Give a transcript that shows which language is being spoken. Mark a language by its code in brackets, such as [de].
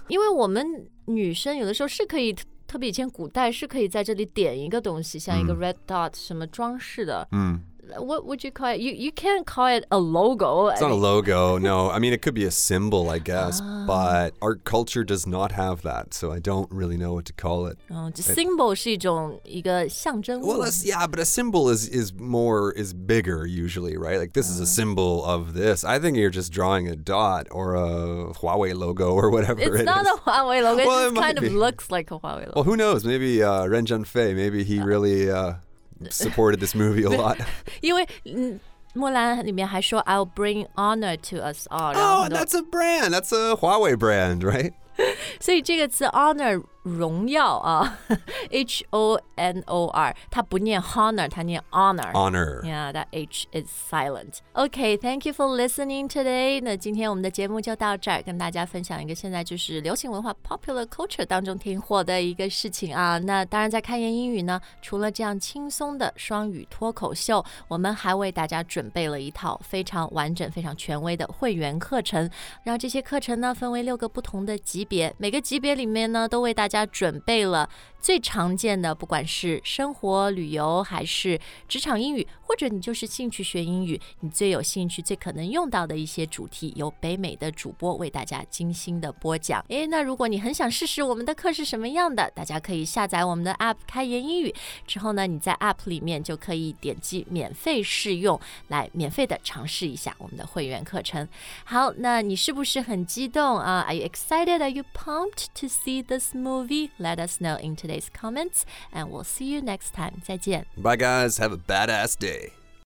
[zh] 因为我们女生有的时候是可以特别以前古代是可以在这里点一个东西像一个 red dot 什么装饰的、 [en] What would you call it? You can't call it a logo. It's not a logo, no. I mean, it could be a symbol, I guess. But our culture does not have that, so I don't really know what to call it. [zh] Symbol 是一个象征物。 [en] Well, yeah, but a symbol is bigger usually, right? Like, this is a symbol of this. I think you're just drawing a dot or a Huawei logo or whatever it is. It's not a Huawei logo. Well, it kind of looks like a Huawei logo. Well, who knows? Maybe Ren Zhengfei, maybe he really... supported this movie a lot. [zh] 因为木兰里面还说 [en] I'll bring honor to us all. Oh, that's a brand. That's a Huawei brand, right? [zh] 所以这个词 honor, 荣耀啊 H-O-N-O-R, 它不念 honor, 它念 honor. [en] Honor. Yeah, that H is silent. Okay, thank you for listening today. [zh] 那今天我们的节目就到这儿跟大家分享一个现在就是流行文化 popular culture 当中挺火的一个事情啊。那当然在看言英语呢除了这样轻松的双语脱口秀我们还为大家准备了一套非常完整非常权威的会员课程。然后这些课程呢分为六个不同的级别每个级别里面呢都为大家准备了最常见的不管是生活旅游还是职场英语，或者你就是兴趣学英语，你最有兴趣最可能用到的一些主题，由北美的主播为大家精心的播讲。诶，那如果你很想试试我们的课是什么样的，大家可以下载我们的 APP 开言英语，之后呢你在 APP 里面就可以点击免费试用，来免费的尝试一下我们的会员课程。好，那你是不是很激动啊？ [en] Are you excited? Are you pumped to see this movie? Let us know in today's comments, and we'll see you next time. [zh] 再见。 [en] Bye guys, have a badass day.